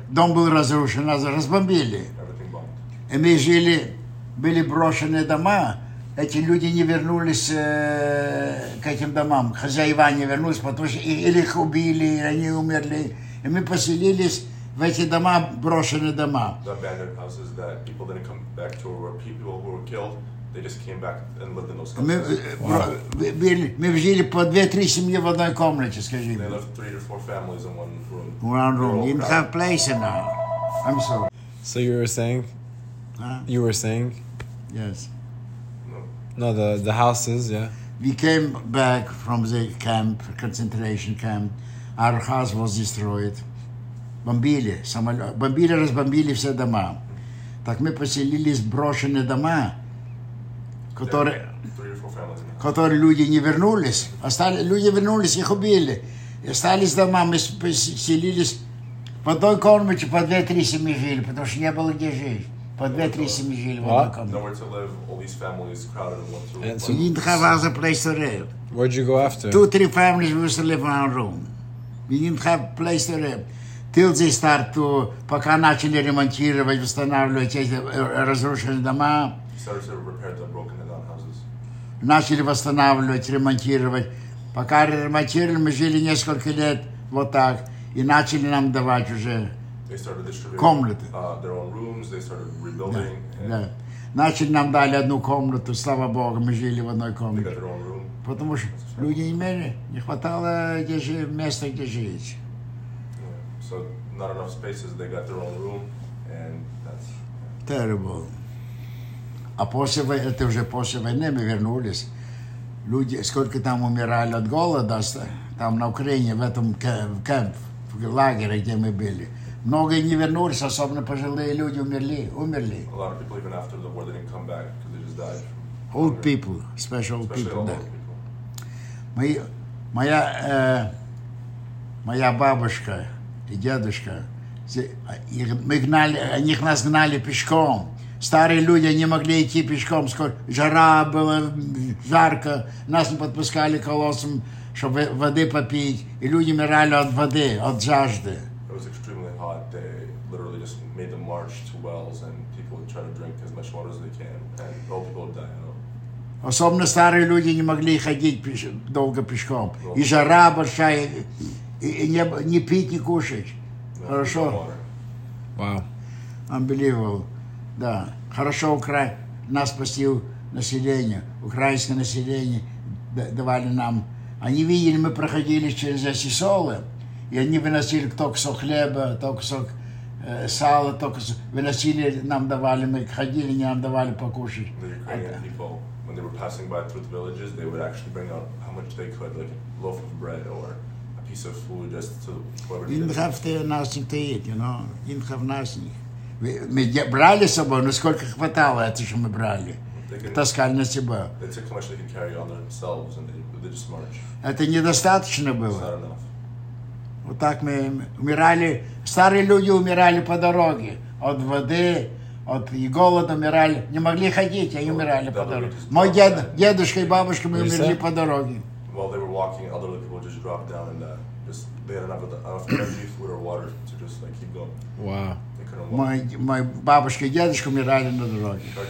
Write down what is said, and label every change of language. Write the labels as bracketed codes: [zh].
[ru] Дом был разрушен, нас разбомбили. [en] And we [ru] жили, были брошены дома. Эти люди не вернулись к этим домам. Хозяева не вернулись, потому что их убили, они умерли. И мы поселились в эти дома, брошенные дома. [en] The abandoned houses that people didn't come back to were people who were killed. They just came back and lived in those houses. [ru] Мы жили по 2-3 семьи в одной комнате, скажи. [en] They lived 3-4 families in one room. One room. You didn't have place in now. I'm sorry. So you were saying? Huh? You were saying? Yes. No, the houses, yeah. We came back from the camp, concentration camp. Our house was destroyed. [ru] Бомбили, самолет. Бомбили, разбомбили все дома. Так мы поселились в брошенные дома, которые люди не вернулись. Остались, люди вернулись, их убили. И остались дома, мы поселились в одной комнате, по 2-3 семьи жили, потому что не было где жить. По 2-3 семьи жили в одной комнате. [en] Nowhere to live, all these families crowded in one room. So you didn't have other place to live. Where'd you go after? 2-3 families we used to live in one room. We didn't have place to live. Till they start to, [ru] пока начали ремонтировать, восстанавливать эти разрушенные дома. [en] Started to repair the broken and down houses. [ru] Начали восстанавливать, ремонтировать. Пока ремонтировали, мы жили несколько лет вот так. И начали нам давать уже комнаты. [en] Their own rooms, they started rebuilding. Yeah, yeah. [ru] Начали нам дали одну комнату, слава Богу, мы жили в одной комнате. [en] They got their own room. [ru] Потому что люди не имели, не хватало где жить, места, где жить. [en] Yeah. So, not enough spaces, they got their own room, and that's... Terrible. [ru] А после войны, это уже после войны, мы вернулись. Люди, сколько там умирали от голода, там на Украине, в этом кемп, в лагере, где мы были. Многие не вернулись, особенно пожилые люди умерли. [en] A lot of people, even after the war, they didn't come back, because they just died. Old people, especially old people. Especially old people. [ru] Моя бабушка и дедушка, они нас гнали пешком. Старые люди не могли идти пешком, жара была, жарко. Нас не подпускали колодцем, чтобы воды попить. И люди умирали от воды, от жажды. [en] It was extremely hot. They literally just made them march to wells and people would try to drink as much water as they can. And old people would die. [ru] Особенно старые люди не могли ходить долго пешком. И жара большая, и не пить, не кушать. [en] No, [ru] хорошо? [en] Wow. Unbelievable. Да. [ru] Хорошо, нас спасти население. Украинское население давали нам. Они видели, мы проходили через эти селы, и они выносили то кусок хлеба, то кусок сала, то кусок... Выносили, нам давали, мы ходили, не нам давали покушать. [en] The Ukrainian people. When they were passing by through the villages, they would actually bring out how much they could, like a loaf of bread or a piece of food just to whoever didn't have to, nothing to eat, you know. Didn't have nothing. [ru] Мы брали с собой, но сколько хватало это, что мы брали. Таскали на себя. [en] They took how much they could carry on themselves and they just marched. [ru] Это недостаточно было. [en] It's not enough. [ru] Вот так мы умирали. Старые люди умирали по дороге от воды. Вот и голод умирали, не могли ходить, они умирали по дороге. Мой дедушка и бабушка, мы умерли по дороге. [en] While they were walking, elderly people just dropped down and just they had enough energy, food or water to just like keep going. Wow. They couldn't walk. My [ru] бабушка и дедушка умирали на дороге.